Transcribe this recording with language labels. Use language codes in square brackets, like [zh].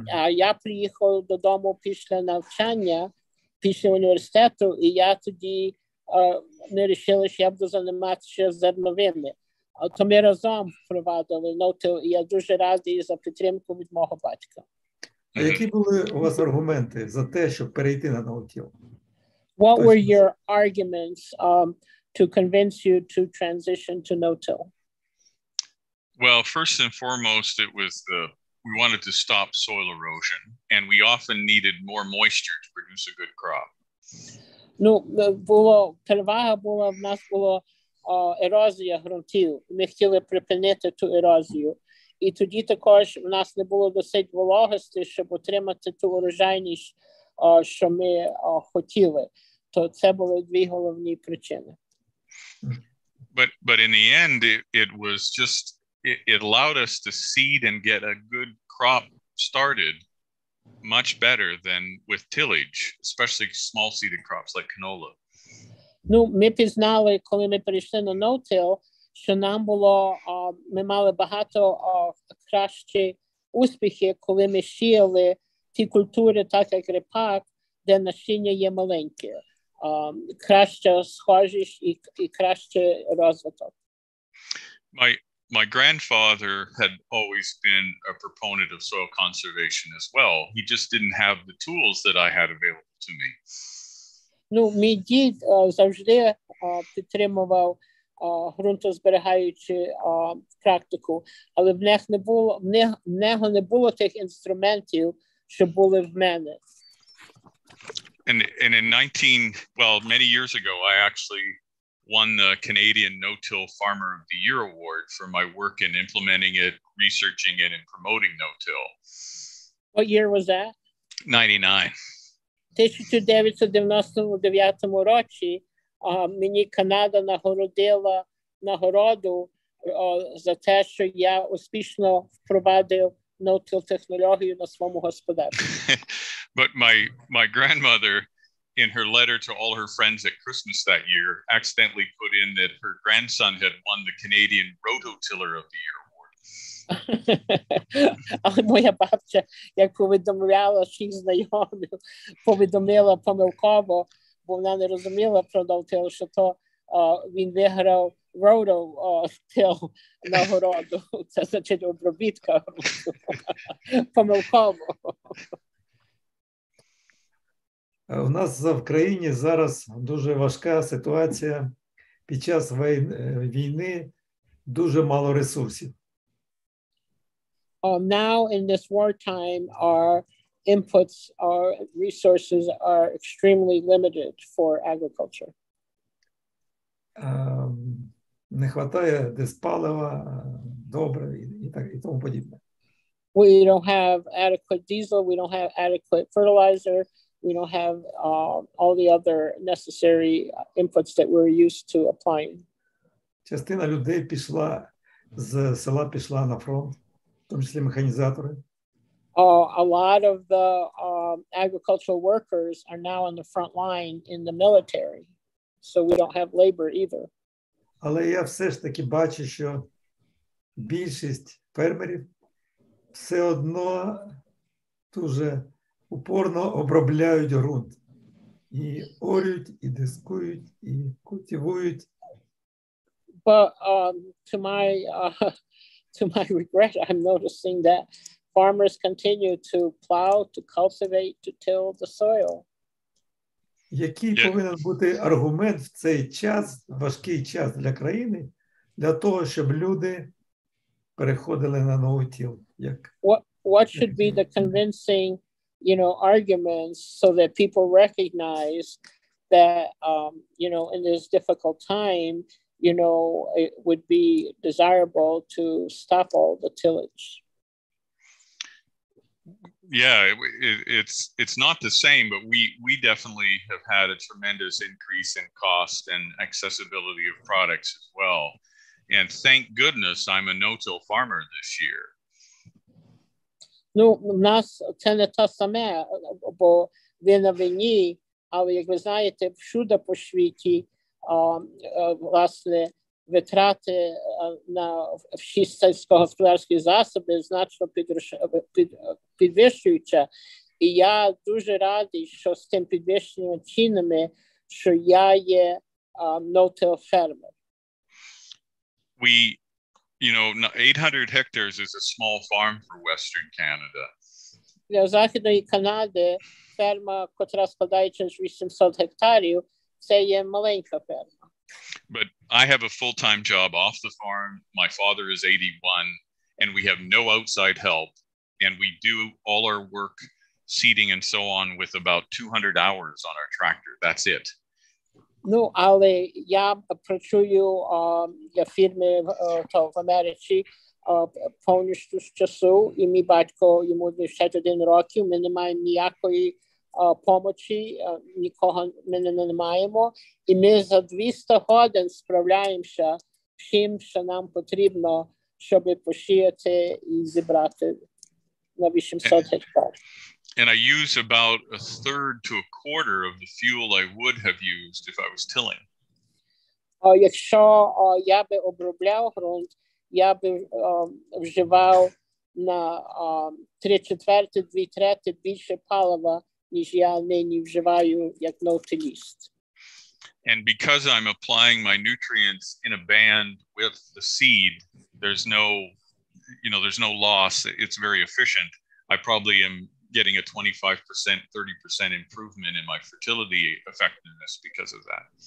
[uk] Я приїхав додому після навчання, після університету, і я тоді не рішила, що я буду займатися зерновими. То ми разом впровадили ноти, і я дуже радий за підтримку від мого батька. А які були у вас аргументи за те, щоб перейти на ноти? [en] What [uk] Тож [en] were your arguments to convince you to transition to ноти? Well, first and foremost, it was the we wanted to stop soil erosion, and we often needed more moisture to produce produce a good crop. [uk] Ну, було, перевага була, в нас було ерозія ґрунтів. Ми хотіли припинити ту ерозію. І тоді також в нас не було досить вологості, щоб отримати ту урожайність, що ми хотіли. То це були дві головні причини. [en] But in the end, it was just, it allowed us to seed and get a good crop started much better than with tillage, especially small seeded crops like canola. [uk] Ну, ми пізнали, коли ми перейшли на no-till, що нам було, ми мали багато кращі успіхи, коли ми сіяли ті культури, так як ріпак, де насіння є маленьке. Краще схожість і краще розвиток. [en] My grandfather had always been a proponent of soil conservation as well. He just didn't have the tools that I had available to me. [uk] Ну, мій дід завжди підтримував ґрунтозберігаючу практику, але в нього не було тих інструментів, що були в мене. [en] And in 19, well, many years ago, I actually won the Canadian No-Till Farmer of the Year Award for my work in implementing it, researching it, and promoting no-till. What year was that? [uk] 1999 році мені Канада нагородила нагороду за те, що я успішно впровадив no-till технологію на своєму господарстві. [en] But my grandmother, in her letter to all her friends at Christmas that year, accidentally put in that her grandson had won the Canadian Rototiller of the Year Award. [uk] Але моя бабця, яку повідомляла, що її знайомі, повідомила помилково, бо вона не розуміла про no-till, що то він виграв Rototill нагороду. Це значить обробітка. Помилково. У нас в країні зараз дуже важка ситуація. Під час війни дуже мало ресурсів. [en] Now in this wartime our inputs, our resources are extremely limited for agriculture. [uk] Не вистачає десь палива, добре і так і тому подібне. [en] We don't have adequate diesel, we don't have adequate fertilizer. We don't have all the other necessary inputs that we're used to applying. [uk] Частина людей пішла з села, пішла на фронт, в тому числі механізатори. [en] A lot of the agricultural workers are now on the front line in the military, so we don't have labor either. [uk] Але я все ж таки бачу, що більшість фермерів все одно дуже упорно обробляють ґрунт і орють, і дискують, і культивують. [en] But to my regret, I'm noticing that farmers continue to plow, to cultivate, to till the soil. [uk] Який повинен бути аргумент в цей час, важкий час для країни, для того, щоб люди переходили на no-till? [en] What should be the convincing, you know, arguments so that people recognize that, you know, in this difficult time, you know, it would be desirable to stop all the tillage. Yeah, it's not the same, but we definitely have had a tremendous increase in cost and accessibility of products as well. And thank goodness I'm a no-till farmer this year. [uk] Ну, в нас це не те саме, бо ви на війні, але, як ви знаєте, всюди по світі, власне, витрати на всі сільськогосподарські засоби значно підвищуються. І я дуже радий, що з тим підвищеними цінами, що я є no-till фермер. [en] You know, 800 hectares is a small farm for Western Canada. [uk] Для Західної Канади ферма, котра складається з 800 гектарів, це є маленька ферма. [en] But I have a full-time job off the farm. My father is 81, and we have no outside help. And we do all our work seeding and so on with about 200 hours on our tractor. That's it. [uk] Ну, але я працюю для фірми в Америці повністю з часу, і мій батько, йому 21 років, ми не маємо ніякої помочі, нікого ми не маємо, і ми за 200 годин справляємося всім, що нам потрібно, щоб посіяти і зібрати на 800 гектар. [en] And I use about a third to a quarter of the fuel I would have used if I was tilling. [uk] Якщо я би обробляв ґрунт, я би вживав на 3/4, 2/3 більше палива, ніж я нині вживаю як ноутиліст. [en] And because I'm applying my nutrients in a band with the seed, there's no, you know, there's no loss. It's very efficient. I probably am getting a 25%, 30% improvement in my fertility effectiveness because of that.